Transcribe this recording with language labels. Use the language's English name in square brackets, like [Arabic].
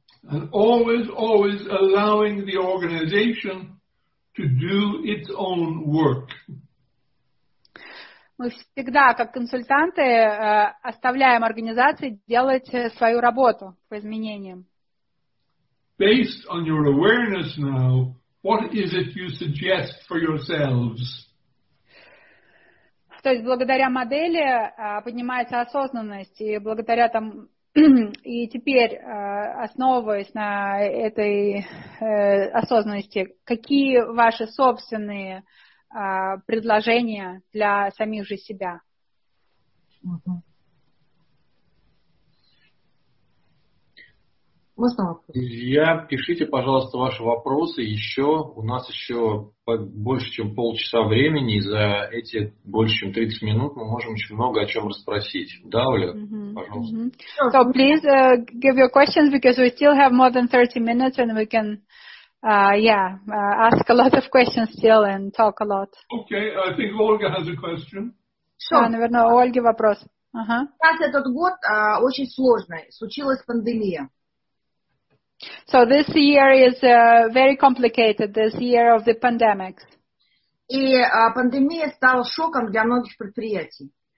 [English] And always, always allowing the organization to do its own work. [Russian] Мы всегда, как консультанты, оставляем организации делать свою работу по изменениям. [English] Based on your awareness now, what is it you suggest for yourselves? [Russian] То есть благодаря модели поднимается осознанность, и благодаря там и теперь, основываясь на этой осознанности, какие ваши собственные предложения для самих же себя. Можно вопрос? Друзья, пишите, пожалуйста, ваши вопросы еще. У нас еще больше, чем полчаса времени, и за эти больше, чем 30 минут мы можем очень много о чем расспросить. Да, Оля? Пожалуйста. [English] So, please give your questions, because we still have more than 30 minutes, and we can... ask a lot of questions still and talk a lot. Okay, I think Olga has a question. Sure. [Russian] Да, наверное, у Ольги вопрос. Сейчас этот год очень сложный. Случилась пандемия. [English] So this year is very complicated, this year of the pandemic. [Russian] И пандемия стала шоком для многих предприятий.